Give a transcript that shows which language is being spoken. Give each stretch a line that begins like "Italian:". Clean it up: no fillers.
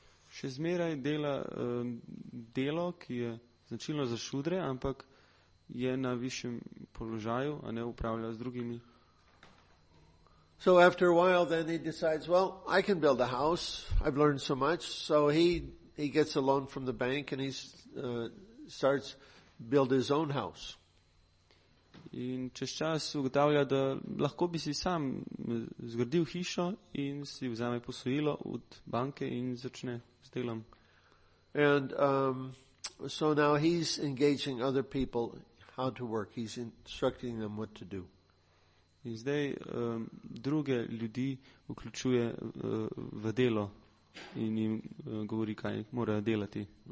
Slovenian: Še zmeraj dela delo, ki je značilno za šudre, ampak je na višjem položaju, a ne upravlja z drugimi.
English: So after a while, then he decides, well, I can build a house. I've learned so much. So he gets a loan from the bank and he starts build his own house.
Slovenian: In čez čas ugotavlja, da lahko bi si sam zgradil hišo in si vzame posojilo od banke in začne s delom.
English: And so now he's engaging other people how to work. He's instructing them what to do.
Slovenian: In zdaj druge ljudi vključuje v delo in jim govori, kaj morajo delati.